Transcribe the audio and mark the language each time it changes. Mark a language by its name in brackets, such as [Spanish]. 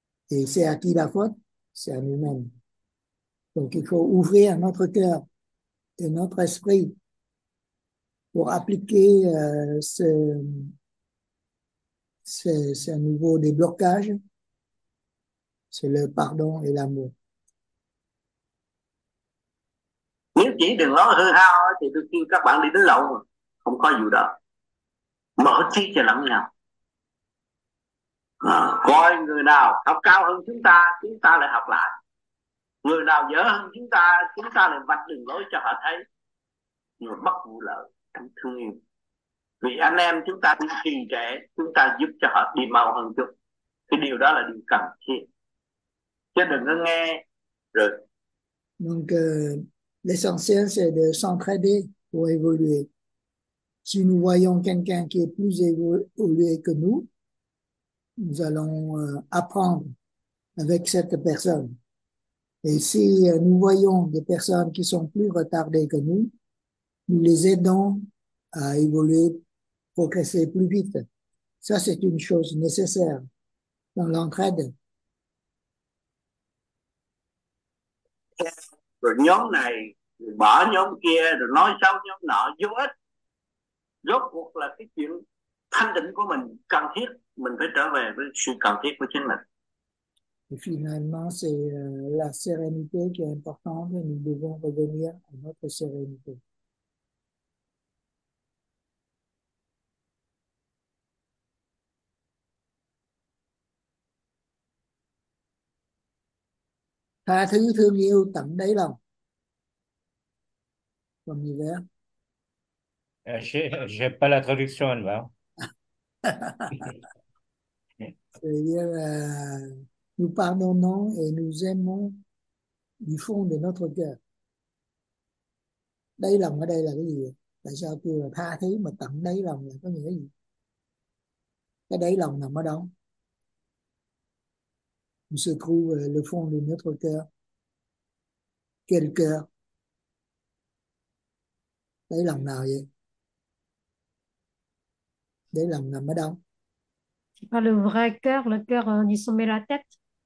[French] Et c'est à qui la faute? C'est à nous-mêmes. Donc il faut ouvrir notre cœur et notre esprit pour appliquer ce nouveau déblocage, c'est le pardon et l'amour. [Vietnamese] Nếu chỉ đừng nói hư hao thì tôi kêu các bạn đi đến lậu, không có gì đó. Mở trí cho lẫn nhau, coi người nào học cao hơn chúng ta lại học lại. Người nào dở hơn chúng ta lại vạch đường lối cho họ thấy. Người bất vụ lợi trong thương yêu. Vì anh em chúng ta đi trì trệ, chúng ta giúp cho họ đi mau hơn chút. Cái điều đó là điều cần thiết. Chứ đừng có nghe rồi. [French] Donc, l'essentiel, c'est de s'entraider pour évoluer. Si nous voyons quelqu'un qui est plus évolué que nous, nous allons apprendre avec cette personne. Et si nous voyons des personnes qui sont plus retardées que nous, nous les aidons à évoluer, progresser plus vite. Ça, c'est une chose nécessaire dans l'entraide. [Vietnamese] Rồi nhóm này rồi bỏ nhóm kia rồi nói xấu nhóm nọ vô ích. Rốt cuộc là cái chuyện thanh tịnh của mình cần thiết, mình phải trở về với sự cần thiết của chính mình. [French] Et finalement, c'est la sérénité qui est importante et nous devons revenir à notre sérénité. [Vietnamese] Tha thứ thương yêu tận đáy lòng. [French] Comme il J'ai pas la traduction, elle va. C'est-à-dire, nous pardonnons et nous aimons du fond de notre cœur. [Vietnamese] Đáy lòng ở đây là cái gì? Tại sao kêu là tha thứ mà tận đáy lòng là có nghĩa gì? Cái đáy lòng nằm ở đâu? [French] Où se trouve le fond de notre cœur? Quel cœur? [Vietnamese] Đáy lòng nào vậy? Đáy lòng nằm ở đâu? [French] Pas le vrai cœur, le cœur du sommet de la tête.